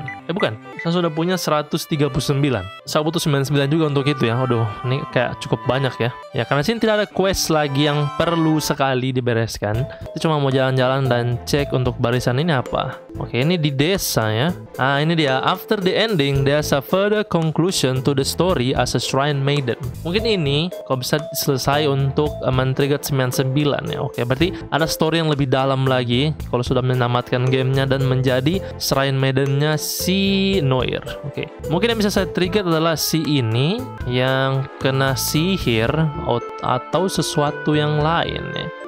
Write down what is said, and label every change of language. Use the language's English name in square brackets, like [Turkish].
[Indonesian] Eh bukan, saya sudah punya 139. Saya butuh 99 juga untuk itu ya. Aduh, ini kayak cukup banyak ya. Ya karena sini tidak ada quest lagi yang perlu sekali dibereskan. Saya cuma mau jalan-jalan dan cek untuk barisan ini apa. Oke, ini di desa ya. Ah, ini dia. [English] After the ending, there's a further conclusion to the story as a shrine maiden. [Indonesian] Mungkin ini kok bisa selesai untuk men-trigger 99 ya. Oke, berarti ada story yang lebih dalam lagi kalau sudah menamatkan gamenya dan menjadi shrine maidennya si Noir. Oke, okay. Mungkin yang bisa saya trigger adalah si ini yang kena sihir atau sesuatu yang lain ya.